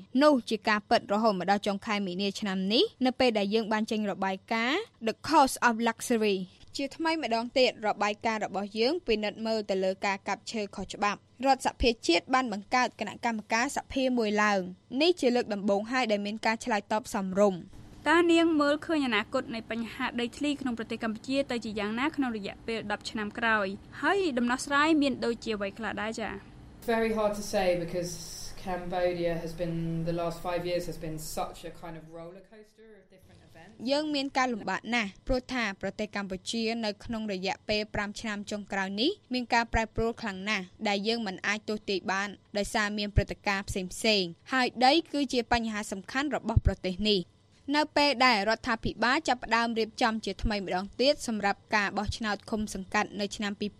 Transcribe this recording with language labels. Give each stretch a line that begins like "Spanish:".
Khmer: នោះជាការពិតរហូតមកដល់ចុងខែមីនាឆ្នាំនេះនៅពេលដែលយើងបានចេញរបាយការណ៍ The Cost of Luxury ជាថ្មីម្ដងទៀតរបាយការណ៍របស់យើងពិនិត្យមើលទៅលើការកាប់ឈើខុសច្បាប់រដ្ឋសភាជាតិបានបង្កើតគណៈកម្មការសភាមួយឡើងនេះជាលើកដំបូងហើយដែលមានការឆ្លើយតបសំរុំ តើនាងមើលឃើញអនាគតនៃបញ្ហាដីធ្លីក្នុងប្រទេសកម្ពុជាទៅជាយ៉ាងណាក្នុងរយៈពេល10ឆ្នាំក្រោយហើយដំណោះស្រាយមានដូចជាអ្វីខ្លះដែរចា
English: Very hard to say becauseCambodia has been the last 5 years has been such a kind of roller coaster of different events
Khmer: យើងមានការលំបាកណាស់ព្រោះថាប្រទេសកម្ពុជានៅក្នុងរយៈពេល5ឆ្នាំចុងក្រោយនេះមានការប្រែប្រួលខ្លាំងណាស់ដែលយើងមិនអាចទស្សន៍ទាយបានដោយសារមានព្រឹត្តិការណ៍ផ្សេងៗហើយដីគឺជាបញ្ហាសំខាន់របស់ប្រទេសនេះនៅពេលដែលរដ្ឋាភិបាលចាប់ផ្ដើមរៀបចំជាថ្មីម្ដងទៀតសម្រាប់ការបោះឆ្នោតឃុំសង្កាត់នៅឆ្នាំ